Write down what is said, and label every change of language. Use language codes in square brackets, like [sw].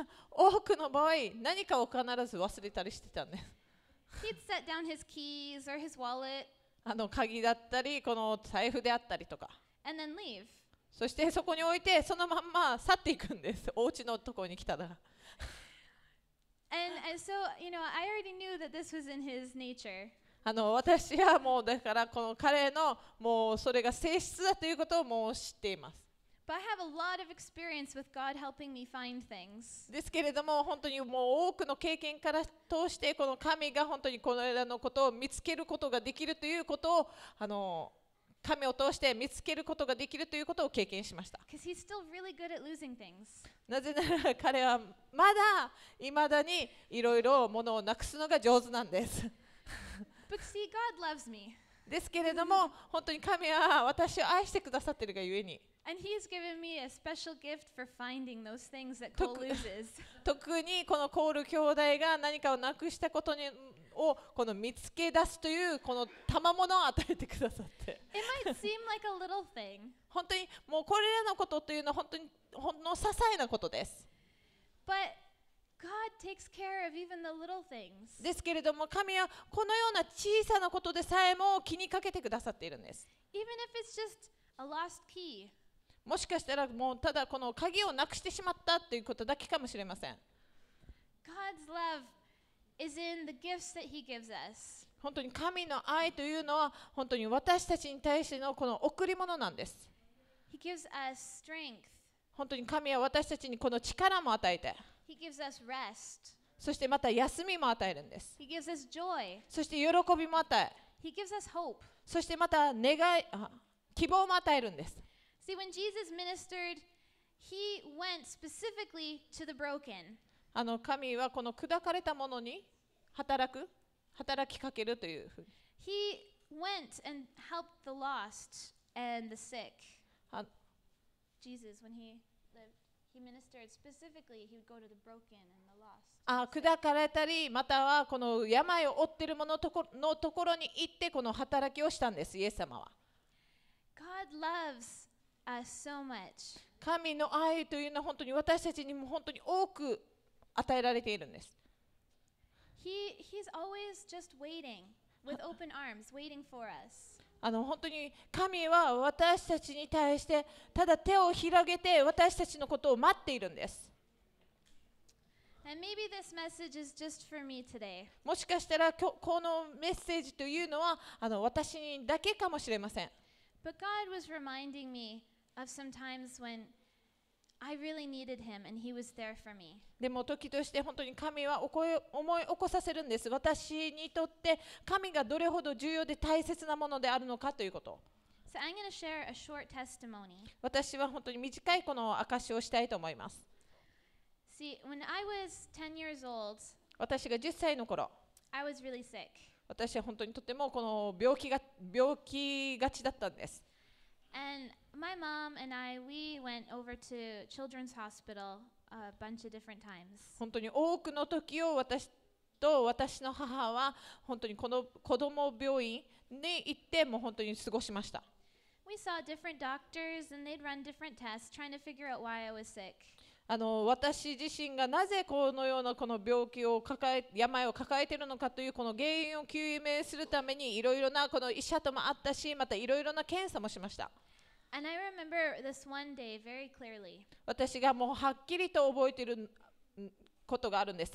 [ja] 多くの場合、何かを必ず忘れたりしてたんです。 [en] He'd set down his keys or his wallet. [ja] あの鍵だったりこの財布であったりとか。 [en] And then leave. [ja] そしてそこに置いてそのまんま去っていくんです。お家のところに来たら。 [en] And so, you know, I already knew that this was in his nature. [ja] あの私はもうだからこの彼のもうそれが性質だということをもう知っています。 [en] But I have a lot of experience with God helping me find things. [ja] ですけれども本当にもう多くの経験から通してこの神が本当にこれらのことを見つけることができるということをあの神を通して見つけることができるということを経験しました。 [en] Because he's still really good at losing things. [ja] なぜなら彼はまだ未だにいろいろものをなくすのが上手なんです。 [en] But see, God loves me. [ja] ですけれども本当に神は私を愛してくださっているがゆえに。 [en] And he's given me a special gift for finding those things that Cole loses. [ja] 特にこのコール兄弟が何かをなくしたことにをこの見つけ出すというこの賜物を与えてくださって。 [en] It might seem like a little thing. [ja] 本当にもうこれらのことというのは本当にほんの些細なことです。 [en] But God takes care of even the little things. [ja] ですけれども神はこのような小さなことでさえも気にかけてくださっているんです。 [en] Even if it's just a lost key. [ja] もしかしたらもうただこの鍵をなくしてしまったということだけかもしれません。 [en] God's love is in the gifts that he gives us. [ja] 本当に神の愛というのは本当に私たちに対してのこの贈り物なんです。 [en] He gives us strength. [ja] 本当に神は私たちにこの力も与えて。 [en] He gives us rest. [ja] そしてまた休みも与えるんです。 [en] He gives us joy. [ja] そして喜びも与え。 [en] He gives us hope. [ja] そしてまた願い、希望も与えるんです。 [en] See, when Jesus ministered, he went specifically to the broken. [ja] あの神はこの砕かれた者に働きかけるというふうに。 [en] He went and helped the lost and the sick. Jesus, when he lived, he ministered specifically, he would go to the broken and the lost. [ja] あ、砕かれたり、またはこの病を負っている者のところに行ってこの働きをしたんです、イエス様は。 [en] God loves so much. [ja] 神の愛というのは本当に私たちにも本当に多く与えられているんです。 [en] He's always just waiting with open arms, waiting for us. [ja] あの本当に神は私たちに対してただ手を広げて私たちのことを待っているんです。 [en] And maybe this message is just for me today. [ja] もしかしたらこのメッセージというのはあの私にだけかもしれません。 [en] But God was reminding me. Of some times when I really needed him and he was there for me. [ja] でも時として本当に神は思い起こさせるんです。私にとって神がどれほど重要で大切なものであるのかということ。 [en] So I'm going to share a short testimony. [ja] 私は本当に短いこの証をしたいと思います。 [en] See, when I was 10 years old, [ja] 私が10歳の頃、 [en] I was really sick. [ja] 私は本当にとてもこの病気がちだったんです。 [en] And my mom and I, we went over to Children's Hospital a bunch of different times. [ja] 本当に多くの時を私と私の母は本当にこの子供病院に行っても本当に過ごしました。 [en] We saw different doctors and they'd run different tests trying to figure out why I was sick. [ja] あの私自身がなぜこのようなこの病を抱えているのかというこの原因を究明するためにいろいろなこの医者とも会ったし、またいろいろな検査もしました。 [en] And I remember this one day very clearly. [ja] 私がもうはっきりと覚えていることがあるんです。